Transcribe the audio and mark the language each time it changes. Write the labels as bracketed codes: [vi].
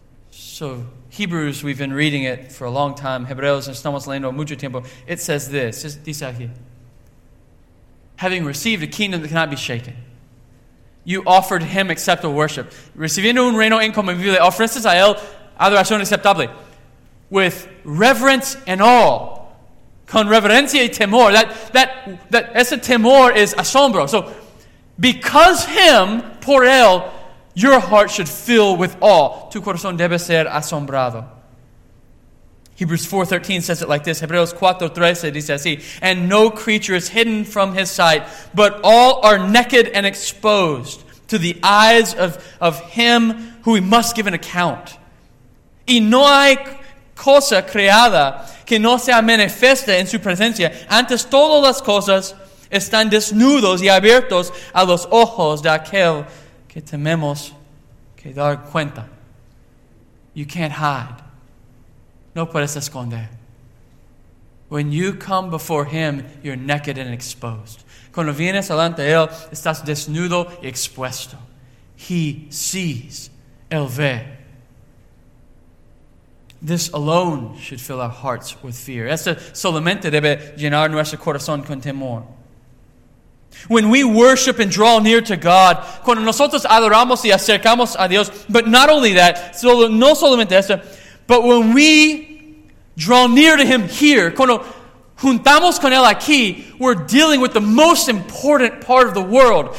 [en] So, Hebrews, we've been reading it for a long time. [es] Hebreos, estamos leyendo mucho tiempo. [en] It says this, [es] dice aquí. [en] Having received a kingdom that cannot be shaken, you offered him acceptable worship. [es] Recibiendo un reino incomovible, ofreces a él adoración aceptable. [en] With reverence and awe. [es] Con reverencia y temor. [en] That [es] ese temor [en] is asombro. So, because him, [es] por él, [en] your heart should fill with awe. [es] Tu corazón debe ser asombrado. [en] Hebrews 4:13 says it like this. [es] Hebreos 4:13 dice así. [en] And no creature is hidden from his sight, but all are naked and exposed to the eyes of him who we must give an account. [es] Y no hay cosa creada que no sea manifiesta en su presencia. Antes todas las cosas están desnudos y abiertos a los ojos de aquel que tememos que dar cuenta. [en] You can't hide. [es] No puedes esconder. [en] When you come before him, you're naked and exposed. [es] Cuando vienes delante de él, estás desnudo y expuesto. [en] He sees. [es] Él ve. [en] This alone should fill our hearts with fear. [es] Esto solamente debe llenar nuestro corazón con temor. [en] When we worship and draw near to God, [es] cuando nosotros adoramos y acercamos a Dios, [en] but not only that, [es] no solamente esto, [en] but when we draw near to Him here, [es] cuando juntamos con Él aquí, [en] we're dealing with the most important part of the world.